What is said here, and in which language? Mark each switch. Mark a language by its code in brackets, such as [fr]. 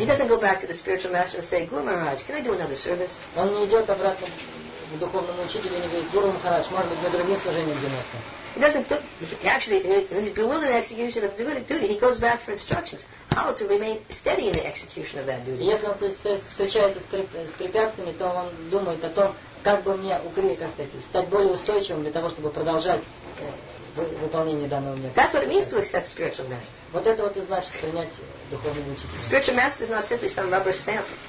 [en] He doesn't go back to the spiritual master and say, Guru Maharaj, can I do another service? [ru] Он не идет обратно к духовному учителю и не говорит, Гуру Махарадж, может быть, на другим служением заняться. [en] He doesn't. He actually, when he's bewildered in the execution of the duty, he goes back for instructions how to remain steady in the execution of that duty. [ru] Если он встречается с препятствиями, то он думает о том, как бы мне стать более устойчивым для того, чтобы продолжать выполнение данного мира. [en] That's what it means to accept spiritual master. [ru] Вот это вот и значит принять духовный учитель. [en] Spiritual master is not simply some rubber stamp.